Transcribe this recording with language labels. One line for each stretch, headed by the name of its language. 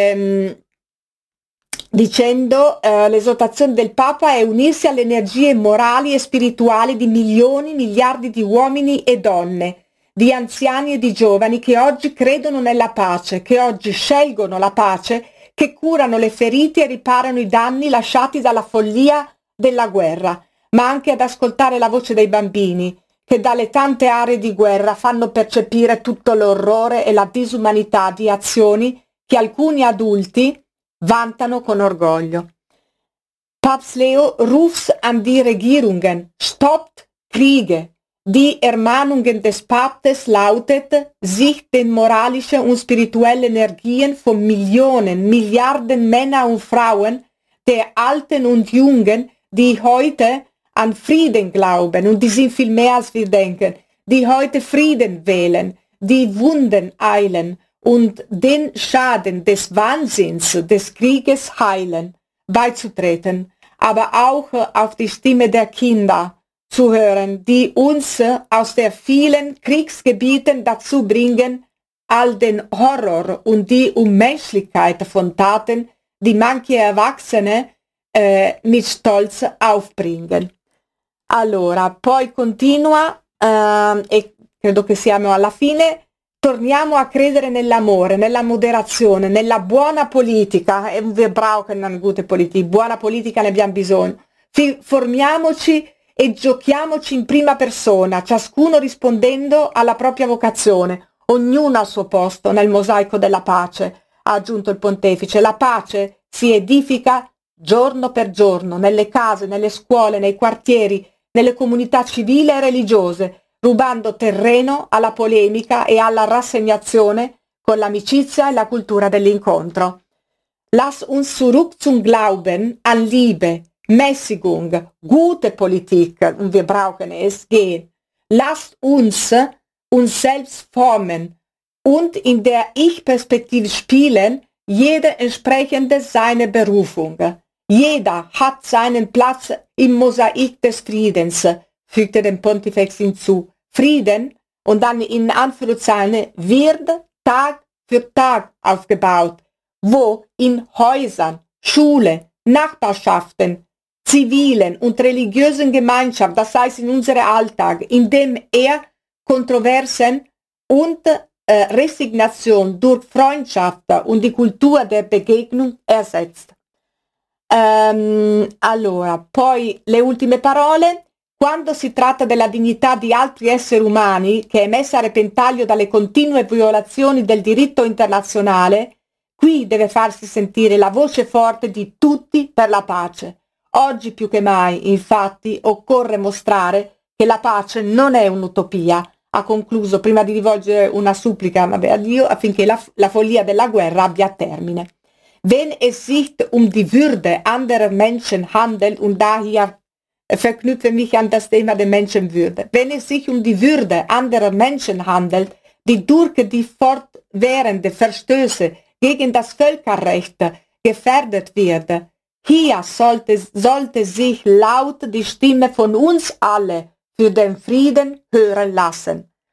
Italian: Poi continua dicendo l'esortazione del Papa è unirsi alle energie morali e spirituali di milioni, miliardi di uomini e donne, di anziani e di giovani che oggi credono nella pace, che oggi scelgono la pace, che curano le ferite e riparano i danni lasciati dalla follia della guerra, ma anche ad ascoltare la voce dei bambini, che dalle tante aree di guerra fanno percepire tutto l'orrore e la disumanità di azioni che alcuni adulti vantano con orgoglio.
German: Papst Leo ruft an die Regierungen, stoppt Kriege, die Ermahnungen des Papstes lautet, sich den moralischen und spirituellen Energien von Millionen, Milliarden Männer und Frauen, der Alten und Jungen, die heute an Frieden glauben und die sind viel mehr als wir denken, die heute Frieden wählen, die Wunden heilen und den Schaden des Wahnsinns, des Krieges heilen, beizutreten, aber auch auf die Stimme der Kinder zu hören, die uns aus den vielen Kriegsgebieten dazu bringen, all den Horror und die Unmenschlichkeit von Taten, die manche Erwachsene mit Stolz aufbringen.
Italian: Allora, poi continua, e credo che siamo alla fine, torniamo a credere nell'amore, nella moderazione, nella buona politica, è un vibrao che non è
German: gute
Italian: politiche, buona politica ne abbiamo bisogno, formiamoci e giochiamoci in prima persona, ciascuno rispondendo alla propria vocazione, ognuno al suo posto nel mosaico della pace, ha aggiunto il pontefice, la pace si edifica giorno per giorno, nelle case, nelle scuole, nei quartieri, nelle comunità civili e religiose, rubando terreno alla polemica e alla rassegnazione con l'amicizia e la cultura dell'incontro.
German: Lass uns zurück zum Glauben an Liebe, Mäßigung, gute Politik, wir brauchen es, gehen. Lass uns selbst formen und in der Ich-Perspektive spielen, jede entsprechende seine Berufung. Jeder hat seinen Platz im Mosaik des Friedens, fügte dem Pontifex hinzu. Frieden, und dann in Anführungszeichen, wird Tag für Tag aufgebaut, wo in Häusern, Schule, Nachbarschaften, zivilen und religiösen Gemeinschaft, das heißt in unserem Alltag, in dem er Kontroversen und Resignation durch Freundschaft und die Kultur der Begegnung ersetzt.
Italian: Allora, poi le ultime parole, quando si tratta della dignità di altri esseri umani che è messa a repentaglio dalle continue violazioni del diritto internazionale, qui deve farsi sentire la voce forte di tutti per la pace. Oggi più che mai, infatti, occorre mostrare che la pace non è un'utopia, ha concluso prima di rivolgere una supplica a Dio affinché la follia della guerra abbia termine.
German: wenn es sich um die Würde anderer Menschen handelt, und daher verknüpfe mich an das Thema der Menschenwürde, wenn es sich um die Würde anderer Menschen handelt, die durch die fortwährende Verstöße gegen das Völkerrecht gefährdet wird, hier sollte sich laut die Stimme von uns alle für den Frieden hören lassen.